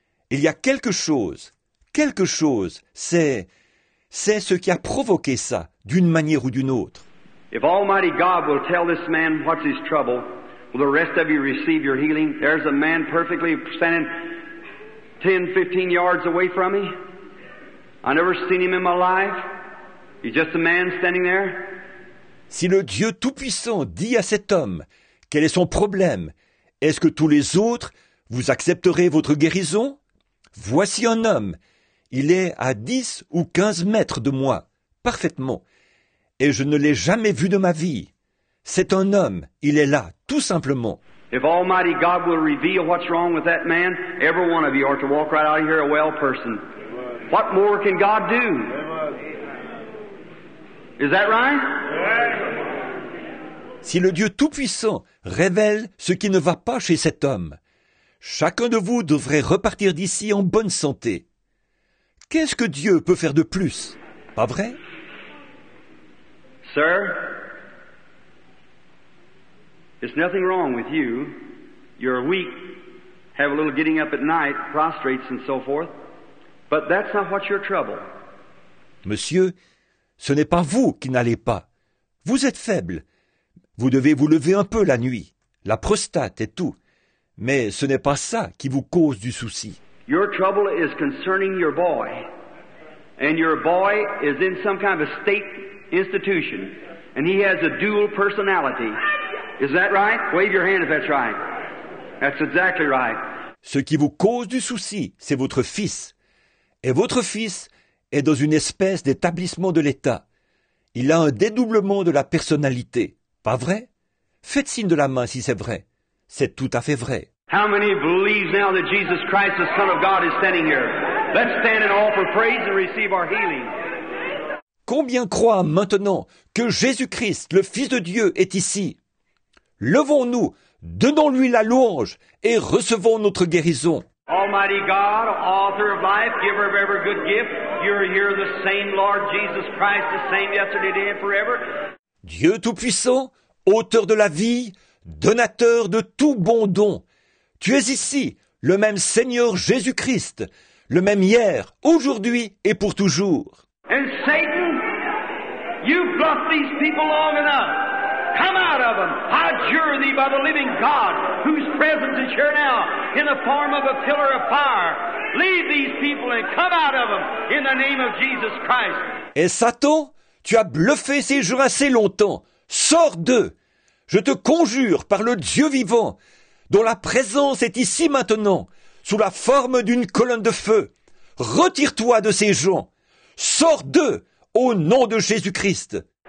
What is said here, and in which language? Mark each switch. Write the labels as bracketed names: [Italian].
[French] Il y a quelque chose, c'est ce qui a provoqué ça, d'une manière ou d'une autre. [English] If Almighty God will tell this man what's his trouble, will the rest of you receive your healing? There's a man perfectly standing 10, 15 yards away from me. I never seen him in my life. He's just a man standing there. [French] Si le Dieu Tout-Puissant dit à cet homme, quel est son problème? Est-ce que tous les autres... Vous accepterez votre guérison? Voici un homme. Il est à 10 ou 15 mètres de moi, parfaitement. Et je ne l'ai jamais vu de ma vie. C'est un homme. Il est là, tout simplement. [English] If Almighty God will reveal what's wrong with that man, every one of you ought to walk right out of here a well person. What more can God do? Is that right? [French] Si le Dieu Tout-Puissant révèle ce qui ne va pas chez cet homme, chacun de vous devrait repartir d'ici en bonne santé. Qu'est-ce que Dieu peut faire de plus? Pas vrai? [English] Sir, it's nothing wrong with you. You're weak, have a little getting up at night, prostrates and so forth. But that's not what's your trouble. [French] Monsieur, ce n'est pas vous qui n'allez pas. Vous êtes faible. Vous devez vous lever un peu la nuit. La prostate est tout. Mais ce n'est pas ça qui vous cause du souci. [English] Your trouble is concerning your boy. And your boy is in some kind of a state institution. And he has a dual personality. Is that right? Wave your hand if that's right. That's exactly right. [French] Ce qui vous cause du souci, c'est votre fils. Et votre fils est dans une espèce d'établissement de l'État. Il a un dédoublement de la personnalité. Pas vrai? Faites signe de la main si c'est vrai. C'est tout à fait vrai. [English] How many believe now that Jesus Christ, the Son of God, is standing here? Let's stand and offer praise and receive our healing. [French] Combien croient maintenant que Jésus-Christ, le Fils de Dieu, est ici? Levons-nous, donnons-lui la louange et recevons notre guérison. [English] Almighty God, author of life, giver of every good gift, you're here the same Lord Jesus Christ, the same yesterday, today and forever. [French] Dieu Tout-Puissant, auteur de la vie, donateur de tout bon don. Tu es ici, le même Seigneur Jésus-Christ, le même hier, aujourd'hui et pour toujours. [English] And Satan, you've bluffed these people long enough. Come out of them. I adjure thee by the living God, whose presence is here now in the form of a pillar of fire. Leave these people and come out of them in the name of Jesus Christ. [French] Et Satan, tu as bluffé ces gens assez longtemps. Sors d'eux. Je te conjure par le Dieu vivant, dont la présence est ici maintenant, sous la forme d'une colonne de feu. Retire-toi de ces gens. Sors d'eux au nom de Jésus-Christ.